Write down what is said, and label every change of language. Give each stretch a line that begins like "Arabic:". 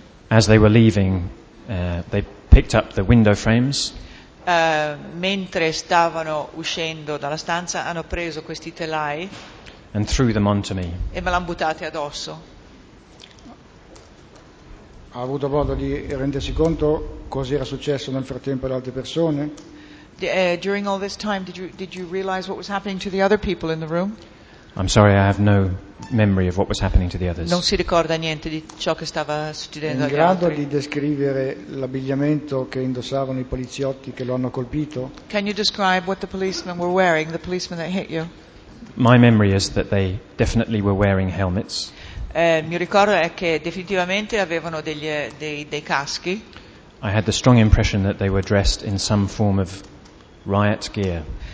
English: As they were leaving, they picked up the window frames.
Italian: Mentre stavano uscendo dalla stanza, hanno preso questi telai.
English: And threw them onto me.
Italian: E me l'han buttati addosso. Ha avuto modo di rendersi conto cosa era successo nel frattempo ad altre persone?
English: During all this time, did you realize what was happening to the other people in the room? I'm sorry, I have no memory of what was happening to the others.
Italian: Non si ricorda niente di ciò che stava succedendo. In grado di descrivere l'abbigliamento che indossavano i poliziotti che lo hanno colpito?
English: Can you describe what the policemen were wearing, the policemen that hit you? My memory is that they definitely were wearing helmets.
Italian: Mi ricordo è che definitivamente avevano dei caschi.
English: I had the strong impression that they were dressed in some form of riot gear.